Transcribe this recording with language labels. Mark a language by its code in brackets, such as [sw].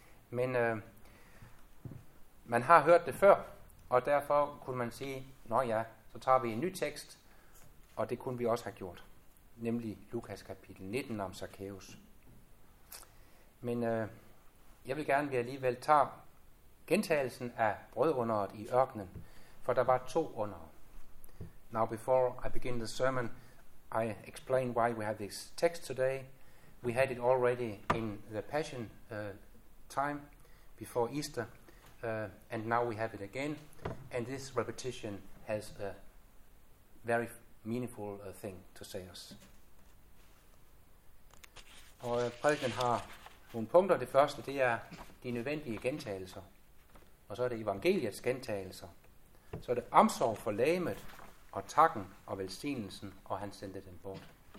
[da] Men man har hørt det før, og derfor kunne man sige, nå ja, så tager vi en ny tekst, og det kunne vi også have gjort. Nemlig Lukas kapitel 19 om Zakæus. Men jeg vil gerne, at vi alligevel tager gentagelsen af brødunderet i ørkenen, for der var 2 under. [en] Now before I begin the sermon, I explain why we have this text today. We had it already in the Passion time before Easter, and now we have it again. And this repetition has a very meaningful thing to say us. [da] Og prædiken har nogle punkter. Det første, det er de nødvendige gentagelser. Og så er det evangeliets gentagelser. Så er det omsorg for lægemet og takken og velsignelsen, og han sendte den bort.